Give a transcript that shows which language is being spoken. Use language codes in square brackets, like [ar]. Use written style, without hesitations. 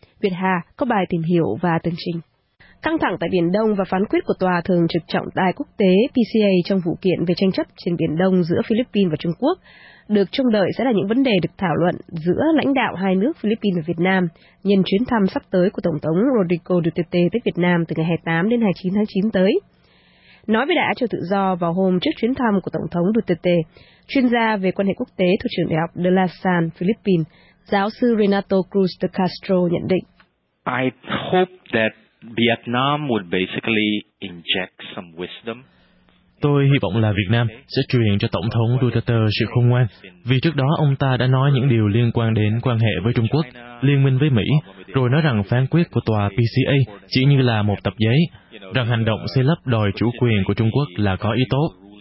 [vi] Việt Hà có bài tìm hiểu và tường trình. Căng thẳng tại Biển Đông và phán quyết của Tòa Thường trực Trọng tài Quốc tế PCA trong vụ kiện về tranh chấp trên Biển Đông giữa Philippines và Trung Quốc được trông đợi sẽ là những vấn đề được thảo luận giữa lãnh đạo hai nước Philippines và Việt Nam nhân chuyến thăm sắp tới của Tổng thống Rodrigo Duterte tới Việt Nam từ ngày 28 đến 29 tháng 9 tới. Nói với Đài Á Châu Tự Do vào hôm trước chuyến thăm của Tổng thống Duterte, chuyên gia về quan hệ quốc tế thuộc trường Đại học De La Salle, Philippines, giáo sư Renato Cruz de Castro nhận định. [en] I hope that Vietnam would basically inject some wisdom. [vi] Tôi hy vọng là Việt Nam sẽ truyền cho Tổng thống Duterte sự khôn ngoan, vì trước đó ông ta đã nói những điều liên quan đến quan hệ với Trung Quốc, liên minh với Mỹ, rồi nói rằng phán quyết của tòa PCA chỉ như là một tập giấy, rằng hành động xây lấp đòi chủ quyền của Trung Quốc là có ý tốt.